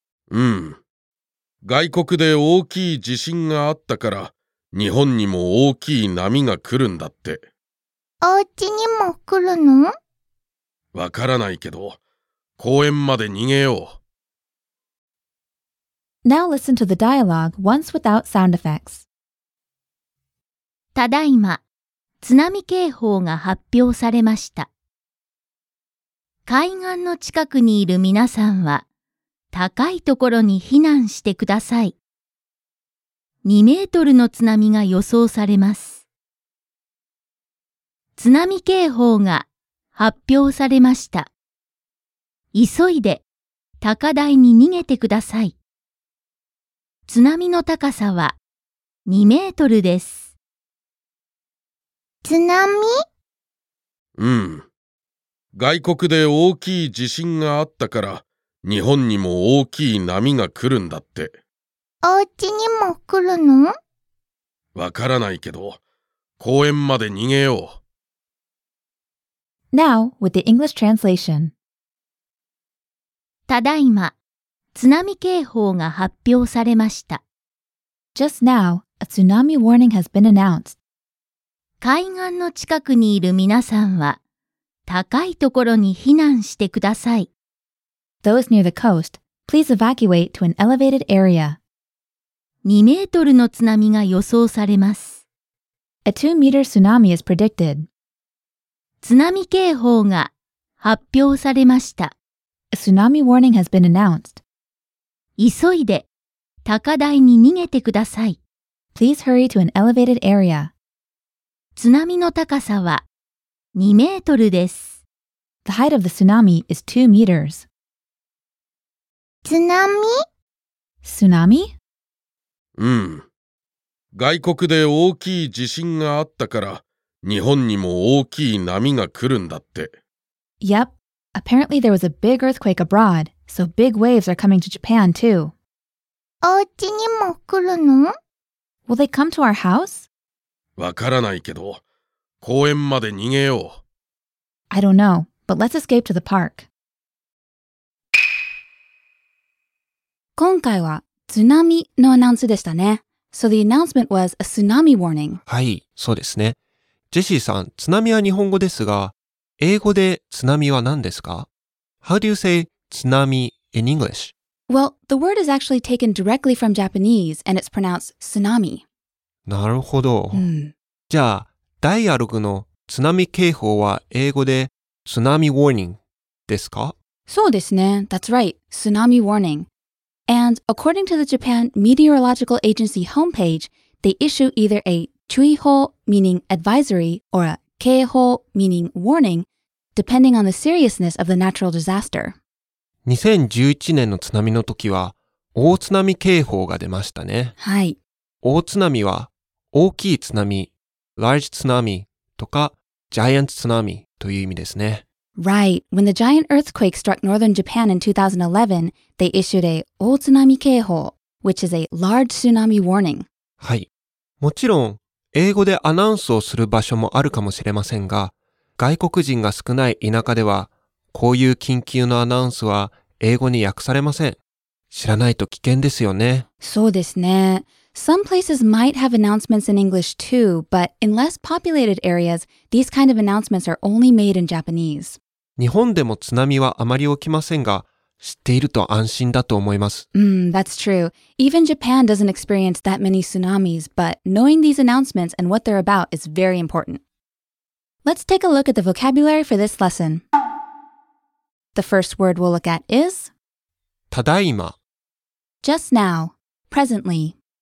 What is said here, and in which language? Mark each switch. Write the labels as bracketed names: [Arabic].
[Japanese] うん。外国で大きい地震があったから、日本にも大きい波が来るんだって。お家にも来るの? わからないけど、公園まで逃げよう。 [English] Now listen to the dialogue once without sound effects. [Japanese] ただいま。津波警報が発表されました。海岸の近くにいる皆さんは、高いところに避難してください。 2メートルの津波が予想されます。津波警報が発表されました。急いで高台に逃げてください。津波の高さは2メートルです。津波? うん。外国で大きい地震があったから、日本にも大きい波が来るんだって。お家にも来るの? わからないけど、公園まで逃げよう。 [English] Now, with the English translation. [Japanese] ただいま、津波警報が発表されました。 [English] Just now, a tsunami warning has been announced. [Japanese] 海岸の近くにいる皆さんは、高いところに避難してください。 [English] Those near the coast, please evacuate to an elevated area. [Japanese] 2メートルの津波が予想されます。 [English] A 2 meter tsunami is predicted. [Japanese] 津波警報が発表されました。 [English] A tsunami warning has been announced. [Japanese] 急いで高台に逃げてください。 [English] Please hurry to an elevated area. [Japanese] 津波の高さは2メートルです。 [English] The height of the tsunami is 2 meters. [Japanese] 津波? [English] Tsunami? [Japanese] うん。外国で大きい地震があったから、日本にも大きい波が来るんだって。 [English] Yep. Apparently there was a big earthquake abroad, so big waves are coming to Japan too. [Japanese] お家にも来るの? [English] Will they come to our house? [Japanese] わからないけど、公園まで逃げよう。 [English] I don't know, but let's escape to the park. [Japanese] 今回は津波のアナウンスでしたね。 [English] So the announcement was a tsunami warning. [Japanese] はい、そうですね。ジェシーさん、津波は日本語ですが、英語で津波は何ですか? [English] How do you say 津波 in English? Well, the word is actually taken directly from Japanese, and it's pronounced tsunami. [Japanese] なるほど。じゃあ、ダイアログの津波警報は英語で津波 warning ですか？そうですね。 [English] That's right. 津波 warning. And according to the Japan Meteorological Agency homepage, they issue either a 注意報 meaning advisory, or a 警報 meaning warning, depending on the seriousness of the natural disaster. [Japanese] 2011年の津波の時は大津波警報が出ましたね。はい。大津波は大きい津波、large 津波とか giant 津波という意味ですね。 [English] Right. When the giant earthquake struck northern Japan in 2011, they issued a 大津波警報, which is a large tsunami warning. [Japanese] はい。もちろん、英語でアナウンスをする場所もあるかもしれませんが、外国人が少ない田舎では、こういう緊急のアナウンスは英語に訳されません。知らないと危険ですよね。そうですね。 [English] Some places might have announcements in English too, but in less populated areas, these kind of announcements are only made in Japanese. [Japanese] 日本でも津波はあまり起きませんが、知っていると安心だと思います。 [English] That's true. Even Japan doesn't experience that many tsunamis, but knowing these announcements and what they're about is very important. Let's take a look at the vocabulary for this lesson. The first word we'll look at is... [Japanese] ただいま。 [English] Just now. Presently.